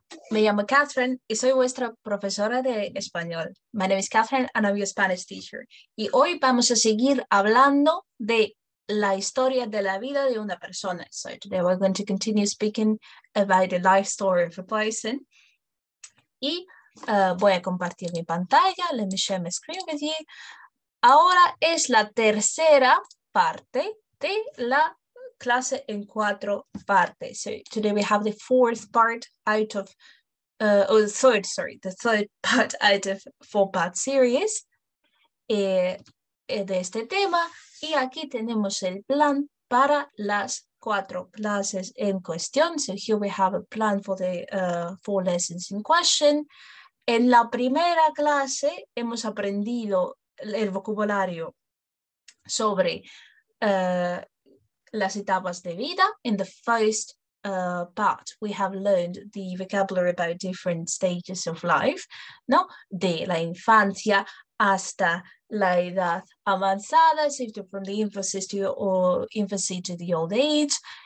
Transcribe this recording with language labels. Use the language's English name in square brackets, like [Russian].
[Spanish] Me llamo Catherine y soy vuestra profesora de español. [English] My name is Catherine and I'm your Spanish teacher. [Spanish] Y hoy vamos a seguir hablando de la historia de la vida de una persona. [English] So today we're going to continue speaking about the life story of a person. [Spanish] Y voy a compartir mi pantalla. [English] Let me share my screen with you. [Spanish] Ahora es la tercera parte de la clase en cuatro partes. [English] So today we have the fourth part out of, or the third, sorry, the third part out of four part series [Spanish] de este tema. Y aquí tenemos el plan para las cuatro clases en cuestión. [English] So here we have a plan for the four lessons in question. [Spanish] En la primera clase hemos aprendido el vocabulario sobre las etapas de vida. [English] In the first part, we have learned the vocabulary about different stages of life, ¿no? [Spanish] De la infancia hasta la edad avanzada, [English] so from the infancy to the old age.